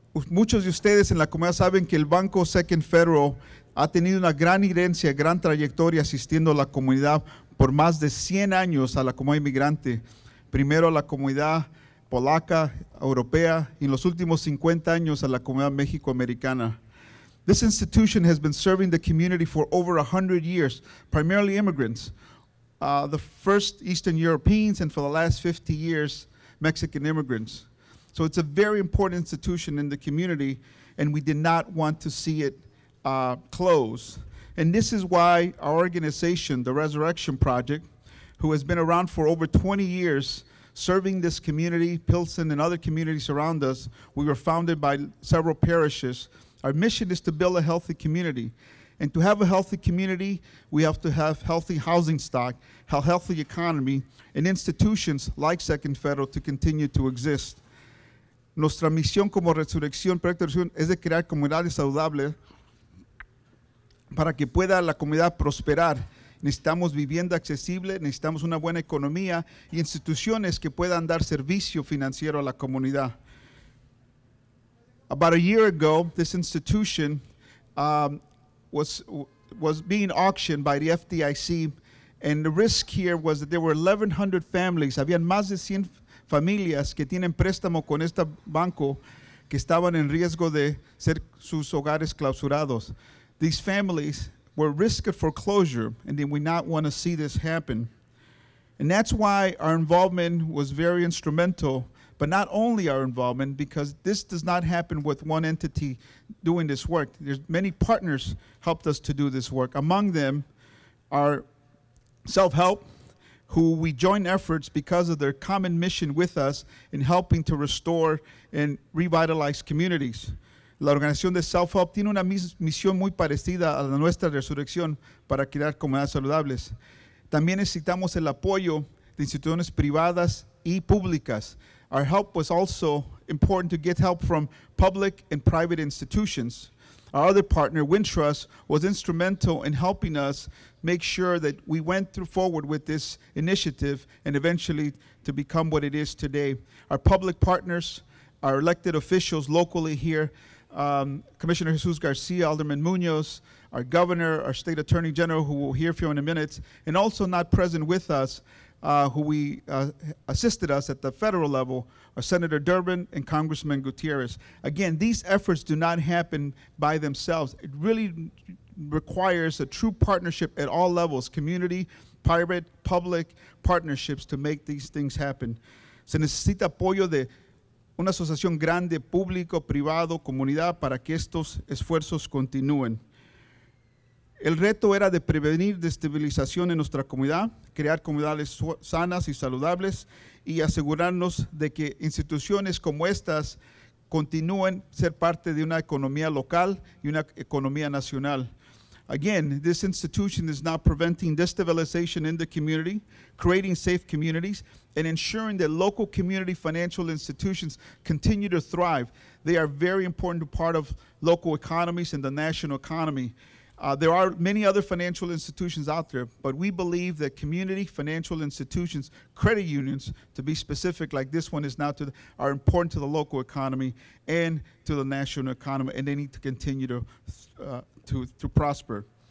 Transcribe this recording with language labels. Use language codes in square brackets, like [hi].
[es] Muchos de ustedes en la comunidad saben que el Banco Second Federal ha tenido una gran herencia, gran trayectoria asistiendo a la comunidad por más de 100 años a la comunidad inmigrante. Primero a la comunidad polaca, europea, y en los últimos 50 años a la comunidad mexicoamericana. [en] This institution has been serving the community for over 100 years, primarily immigrants, the first Eastern Europeans, and for the last 50 years, Mexican immigrants. So it's a very important institution in the community, and we did not want to see it close. And this is why our organization, the Resurrection Project, who has been around for over 20 years, serving this community, Pilsen, and other communities around us, we were founded by several parishes. Our mission is to build a healthy community. And to have a healthy community, we have to have healthy housing stock, a healthy economy, and institutions like Second Federal to continue to exist. [es] Nuestra misión como Resurrección, Proyecto Resurrección, es de crear comunidades saludables para que pueda la comunidad prosperar. Necesitamos vivienda accesible, necesitamos una buena economía y instituciones que puedan dar servicio financiero a la comunidad. [en] About a year ago, this institution was being auctioned by the FDIC, and the risk here was that there were 1,100 families. [es] Habían más de 100 familias que tienen préstamo con este banco que estaban en riesgo de ser sus hogares clausurados. [en] These families were risked foreclosure, and they would not want to see this happen. And that's why our involvement was very instrumental. But not only our involvement, because this does not happen with one entity doing this work. There's many partners helped us to do this work. Among them are self-help, who we join efforts because of their common mission with us in helping to restore and revitalize communities. [es] La organización de self-help tiene una misión muy parecida a la nuestra resurrección para crear comunidades saludables. También necesitamos el apoyo de instituciones privadas y públicas. [en] Our help was also important to get help from public and private institutions. Our other partner, Wintrust, was instrumental in helping us make sure that we went through forward with this initiative and eventually to become what it is today. Our public partners, our elected officials locally here, Commissioner Jesus Garcia, Alderman Muñoz, our governor, our state attorney general, who we'll hear from in a minute, and also not present with us, who assisted us at the federal level, are Senator Durbin and Congressman Gutierrez. Again, these efforts do not happen by themselves. It really requires a true partnership at all levels, community, private, public partnerships to make these things happen. [es] Se necesita apoyo de una asociación grande, público, privado, comunidad, para que estos esfuerzos continúen. El reto era de prevenir destabilización en nuestra comunidad, crear comunidades sanas y saludables, y asegurarnos de que instituciones como estas continúen ser parte de una economía local y una economía nacional. [en] Again, this institution is now preventing destabilization in the community, creating safe communities, and ensuring that local community financial institutions continue to thrive. They are very important part of local economies and the national economy. There are many other financial institutions out there, but we believe that community financial institutions, credit unions, to be specific, like this one is now, are important to the local economy and to the national economy, and they need to continue to prosper.